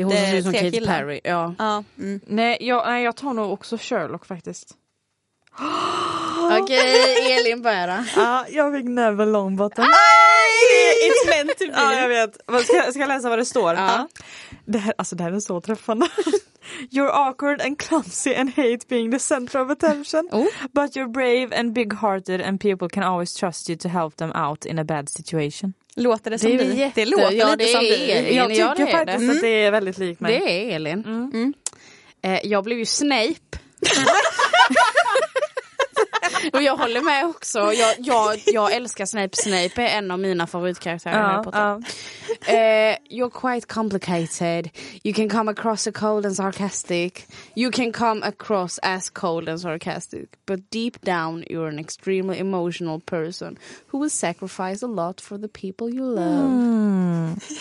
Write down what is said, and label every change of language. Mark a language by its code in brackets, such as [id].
[sv] Det är hon som ser som Kate killen. Perry, ja. Ja. Nej, jag tar nog också Sherlock faktiskt. Okej, Elin bara. Ja, jag fick Neville Longbottom. [en] It's meant to be. [sv] Ja, jag vet. Ska jag läsa vad det står? Ja. Det här är så träffande. [en] You're awkward and clumsy and hate being the center of attention. But you're brave and big-hearted and people can always trust you to help them out in a bad situation. [sv] Låter det som du? Det låter ja, lite det som du. Jag tycker jag faktiskt att det är väldigt likt mig. Det är Elin. Jag blev ju Snape. Och jag håller med också. Jag älskar Snape. Snape är en av mina favoritkaraktärer här på Potter. [en] You're quite complicated. You can come across as cold and sarcastic. You can come across as cold and sarcastic. But deep down, you're an extremely emotional person who will sacrifice a lot for the people you love.